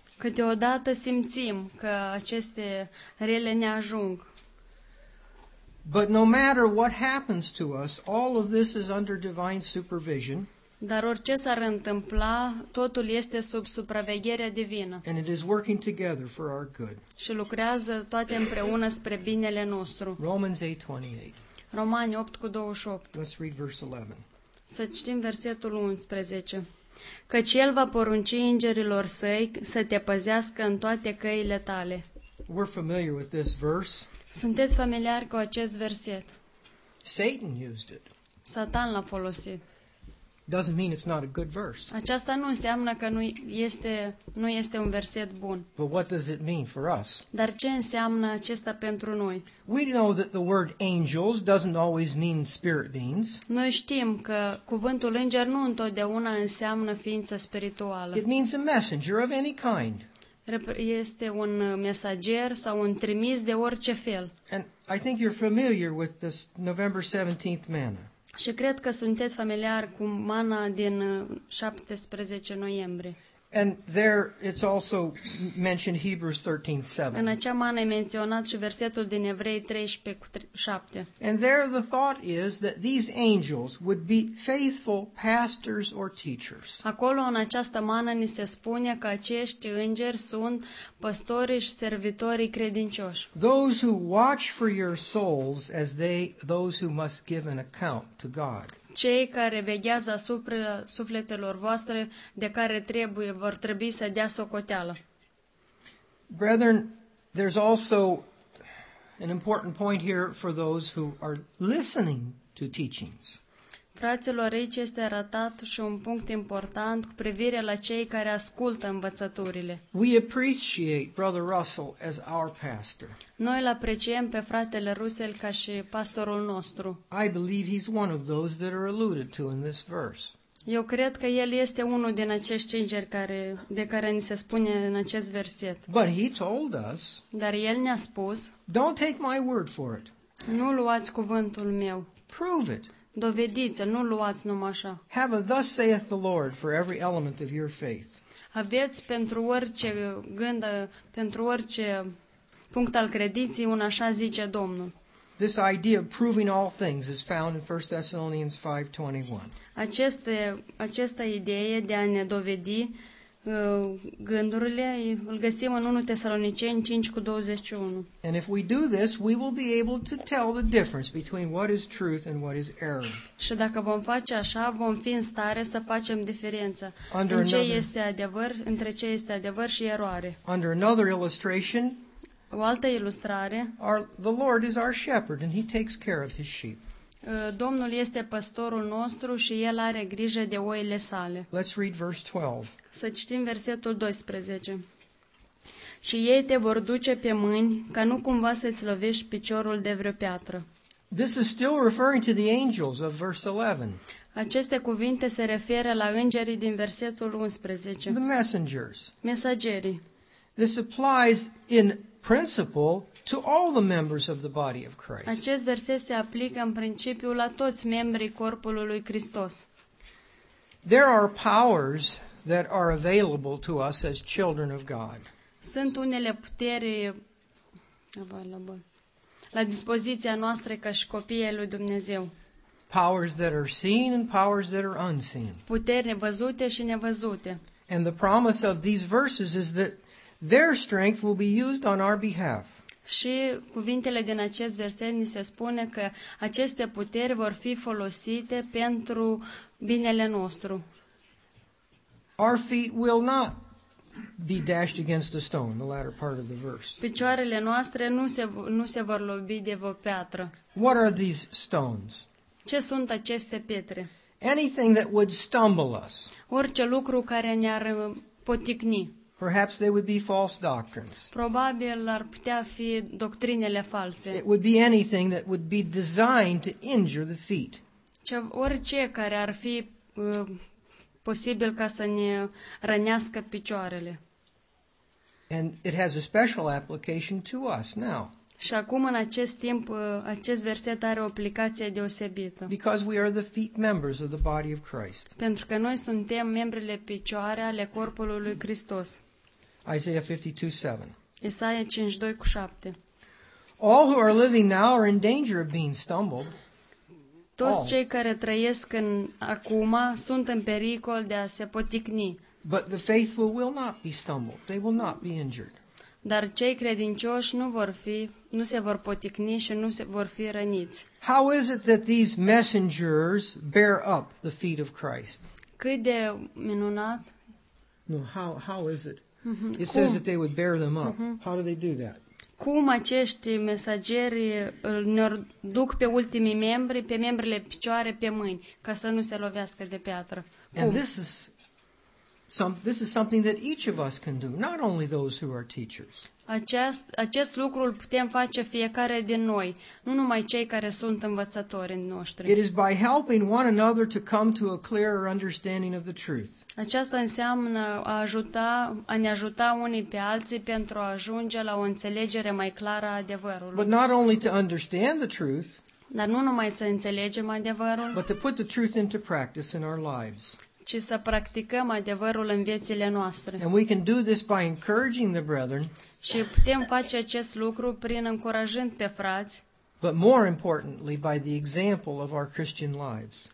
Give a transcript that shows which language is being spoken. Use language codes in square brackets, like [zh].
[ro] Câteodată simțim că aceste rele ne ajung. [en] But no matter what happens to us, all of this is under divine supervision. [ro] Dar orice s-ar întâmpla, totul este sub supravegherea divină. [en] And it is working together for our good. [ro] Și lucrează toate împreună spre binele nostru. [en] Romans 8:28. [ro] Romani 8:28. [en] Let's read verse 11. [ro] Să citim versetul 11. Căci el va porunci îngerilor săi să te păzească în toate căile tale. [en] We're familiar with this verse. [ro] Sunteți familiar cu acest verset? [en] Satan used it. [ro] Satan l-a folosit. [en] Doesn't mean it's not a good verse. [ro] Aceasta nu înseamnă că nu este un verset bun. [en] But what does it mean for us? [ro] Dar ce înseamnă acesta pentru noi? [en] We know that the word angels doesn't always mean spirit beings. [ro] Noi știm că cuvântul înger nu întotdeauna înseamnă ființă spirituală. [en] It means a messenger of any kind. [ro] Este un mesager sau un trimis de orice fel. [en] And I think you're familiar with this November 17th manna. [ro] Și cred că sunteți familiar cu mana din 17 noiembrie. [en] And there it's also mentioned Hebrews 13:7. [ro] În acea mană e menționat și versetul din Evrei 13:7. [en] And there the thought is that these angels would be faithful pastors or teachers. [ro] Acolo în această mană ni se spune că acești îngeri sunt păstori și servitorii credincioși. [en] Those who watch for your souls as they those who must give an account to God. [ro] Cei care veghează asupra sufletelor voastre de care trebuie vor trebui să dea socoteală. [en] Brethren, there's also an important point here for those who are listening to teachings. [ro] Fraților, aici este arătat și un punct important cu privire la cei care ascultă învățăturile. [en] We appreciate Brother Russell as our pastor. [ro] Noi îl apreciem pe fratele Russell ca și pastorul nostru. [en] I believe he's one of those that are alluded to in this verse. [ro] Eu cred că el este unul din acești îngeri de care ni se spune în acest verset. [en] But he told us. [ro] Dar el ne-a spus. [en] Don't take my word for it. [ro] Nu luați cuvântul meu. [en] Prove it. [ro] Dovediți, nu luați numai așa. [en] Have a thus saith the Lord for every element of your faith. [ro] Aveți pentru orice gând, pentru orice punct al credinței, un așa zice Domnul. [en] This idea of proving all things is found in 1 Thessalonians 5:21. [ro] Această idee de a ne dovedi gândurile îl găsim în 1 Tesaloniceni 5:21. [en] And if we do this, we will be able to tell the difference between what is truth and what is error. [ro] Și dacă vom face așa, vom fi în stare să facem diferența între ce este adevăr, între ce este adevăr și eroare. [en] Under another illustration. [ro] O altă ilustrare. [en] The Lord is our shepherd and he takes care of his sheep. [ro] Domnul este păstorul nostru și el are grijă de oile sale. [en] Let's read verse 12. [ro] Să citim versetul 12. Și ei te vor duce pe mâini, ca nu cumva să-ți lovești piciorul de vreo piatră. [en] This is still referring to the angels of verse 11. [ro] Aceste cuvinte se referă la îngerii din versetul 11. [en] The messengers. [ro] Mesagerii. [en] This applies in principle to all the members of the body of Christ. [ro] Acest verset se aplică în principiu la toți membrii corpului lui Hristos. [en] There are powers that are available to us as children of God. [ro] Sunt unele puteri la dispoziția noastră ca și copii ai lui Dumnezeu. [en] Powers that are seen and powers that are unseen. [ro] Puteri văzute și nevăzute. [en] And the promise of these verses is that their strength will be used on our behalf. [ro] Și cuvintele din acest verset ni se spune că aceste puteri vor fi folosite pentru binele nostru. [en] Our feet will not be dashed against a stone, the latter part of the verse. [ro] Picioarele noastre nu se vor lovi de o piatră. [en] What are these stones? [ro] Ce sunt aceste pietre? [en] Anything that would stumble us. [ro] Orice lucru care ne-ar poticni. [en] Perhaps they would be false doctrines. [ro] Probabil ar putea fi doctrinele false. [en] It would be anything that would be designed to injure the feet. [ro] Orice care ar fi posibil ca să ne rănească picioarele. [en] And it has a special application to us now. [ro] Și acum în acest timp acest verset are o aplicație deosebită. [en] Because we are the feet members of the body of Christ. [ro] Pentru că noi suntem membrele picioare ale corpului lui Hristos. [en] Isaiah 52:7. [ro] Isaia 52:7. [en] All who are living now are in danger of being stumbled. [ro] Toți cei care trăiesc în acum sunt în pericol de a se poticni. [en] But the faithful will not be stumbled. They will not be injured. [ro] Dar cei credincioși nu se vor poticni și nu se vor fi răniți. [en] How is it that these messengers bear up the feet of Christ? [ro] Cât de minunat? [en] No, how is it? Mm-hmm. It says that they would bear them up. Mm-hmm. How do they do that? [ro] Cum acești mesageri ne-or duc pe ultimii membri, pe membrele picioare, pe mâini, ca să nu se lovească de piatră? Cum? [en] And this is something that each of us can do, not only those who are teachers. [ro] Acest lucru îl putem face fiecare din noi, nu numai cei care sunt învățători noștri. [en] It is by helping one another to come to a clearer understanding of the truth. [ro] Aceasta înseamnă a ne ajuta unii pe alții pentru a ajunge la o înțelegere mai clară a adevărului. [en] But not only to understand the truth. [ro] Dar nu numai să înțelegem adevărul. [en] But to put the truth into practice in our lives. [ro] Ci să practicăm adevărul în viețile noastre. [en] And we can do this by encouraging the brethren. [ro] Și putem face acest lucru prin încurajând pe frați. [en] But more importantly by the example of our Christian lives.